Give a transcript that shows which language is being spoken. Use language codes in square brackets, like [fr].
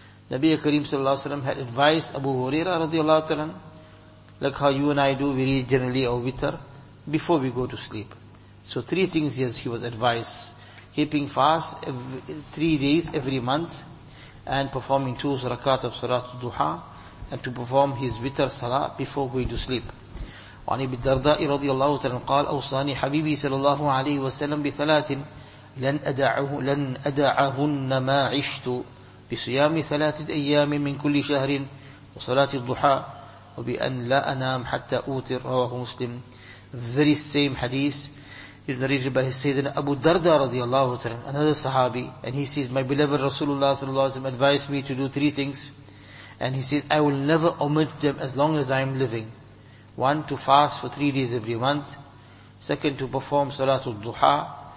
[en] Nabi Kareem sallallahu alayhi wa sallam had advised Abu Huraira radiallahu ta'ala, like how you and I do, we read generally our witr before we go to sleep. So 3 things he was advised: keeping fast 3 days every month, and performing 2 rakat of Salat Duha, and to perform his witr salah before going to sleep. [ar] وعن ابي الدرداء رضي الله تعالى قال اوصاني حبيبي صلى الله عليه وسلم بثلاث لن ادعهن ما عشت بصيام 3 ايام من كل شهر وصلاه الضحى وبان لا انام حتى اوتر. رواه مسلم. [en] Very same hadith is narrated by his Sayyidina Abu Darda رضي الله تعالى, another sahabi, and he says, my beloved Rasulullah صلى الله عليه وسلم advised me to do 3 things, and he says, I will never omit them as long as I am living. 1, to fast for 3 days every month. 2, to perform Salatul Duha.